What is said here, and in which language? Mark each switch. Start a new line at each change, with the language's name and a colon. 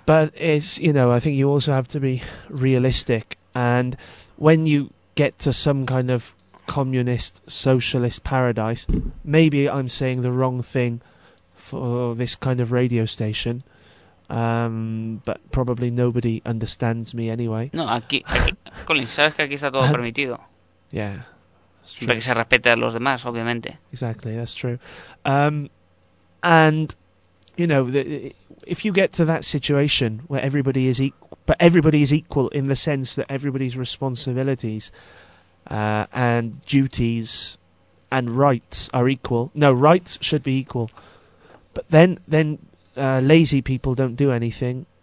English: But it's, you know, I think you also have to be realistic. And when you get to some kind of communist, socialist paradise, maybe I'm saying the wrong thing for this kind of radio station, but probably nobody understands me anyway.
Spanish: No, aquí Collins, sabes que aquí está todo permitido.
English: Yeah,
Spanish: siempre que se respete a los demás, obviamente.
English: Exactly, that's true. And you know, if you get to that situation where everybody is equal in the sense that everybody's responsibilities and duties and rights are equal. No, rights should be equal. But then lazy people don't do anything.